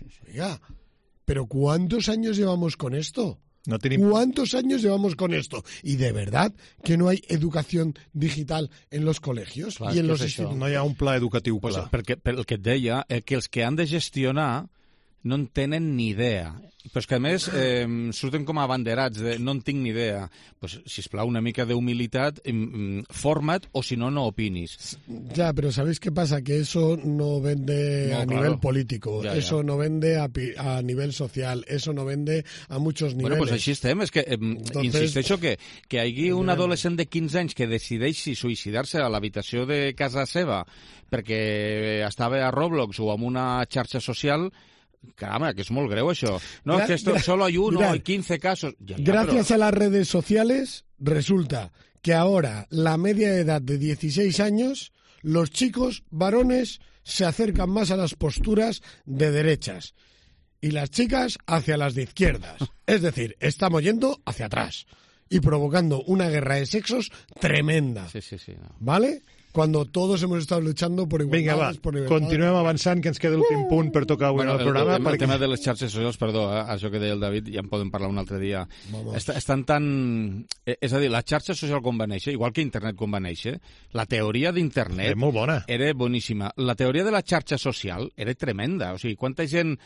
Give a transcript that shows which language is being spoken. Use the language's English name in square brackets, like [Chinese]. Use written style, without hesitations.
[Spanish] Oiga, ¿pero cuántos años llevamos con esto? No tiene... ¿Cuántos años llevamos con esto? ¿Y de verdad que no hay educación digital en los colegios? [Catalan] Clar, [Spanish] y en los institutos. [Catalan] No hi ha un pla educatiu. Pues, perquè, per el que et deia, que els que han de gestionar no en tenen ni idea. Però és que, a més, surten com a abanderats de no en tinc ni idea. Pues, sisplau, una mica d'humilitat, forma't o, si no, no opinis. Ja, però [Spanish] ¿sabéis qué pasa? Que eso no vende a nivel político, eso no vende a nivel social, eso no vende a muchos niveles. [Catalan] Bueno, pues així estem. És que, insisteixo que hi hagi un adolescent de 15 anys que decideixi suïcidar-se a l'habitació de casa seva perquè estava a Roblox o en una xarxa social... [Spanish] Caramba, que es muy grave eso. No, es que esto, solo hay uno, hay 15 casos. Ya, gracias a las redes sociales, resulta que ahora la media de edad de 16 años, los chicos varones se acercan más a las posturas de derechas y las chicas hacia las de izquierdas. Es decir, estamos yendo hacia atrás y provocando una guerra de sexos tremenda. Sí, sí, sí. No. ¿Vale? cuando todos hemos estado luchando por igualdades, [Catalan] Vinga, va, [Spanish] por igualdades. [Catalan] Continuem avançant, que ens queda l'últim punt per tocar avui, bueno, el programa. El perquè... tema de les xarxes socials, perdó, això que deia el David, ja en podem parlar un altre dia. Estan tan... És a dir, la xarxa social com va néixer, igual que internet com va néixer, la teoria d'internet... És molt bona. Era boníssima. La teoria de la xarxa social era tremenda. O sigui, quanta gent...